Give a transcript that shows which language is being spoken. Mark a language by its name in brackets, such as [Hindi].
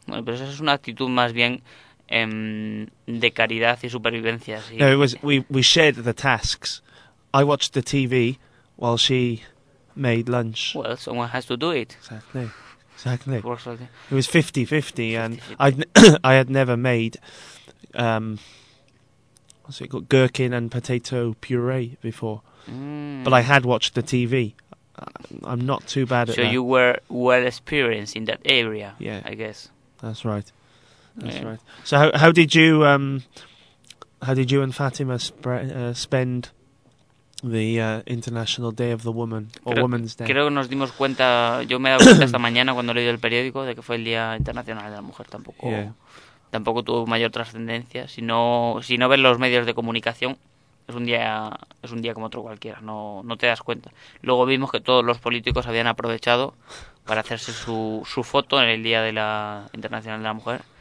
[Spanish] Bueno, pero eso es una actitud más bien de caridad y supervivencia. ¿Sí? [English] No, we shared the tasks. I watched the TV while she made lunch. Well, someone has to do it. Exactly. It was 50-50, and I had never made gherkin and potato puree before. But I had watched the TV. I'm not too bad at So you were well experienced in that area, yeah. I guess. That's right. So how did you and Fatima spend the International Day of the Woman, Women's Day? [Spanish] Creo que nos dimos cuenta, yo me he dado cuenta esta mañana cuando leí el periódico, de que fue el Día Internacional de la Mujer. Tampoco tuvo mayor trascendencia. Si no ves los medios de comunicación, es un día como otro cualquiera, no te das cuenta. Luego vimos que todos los políticos habían aprovechado para hacerse su foto en el Día de la Internacional de la Mujer.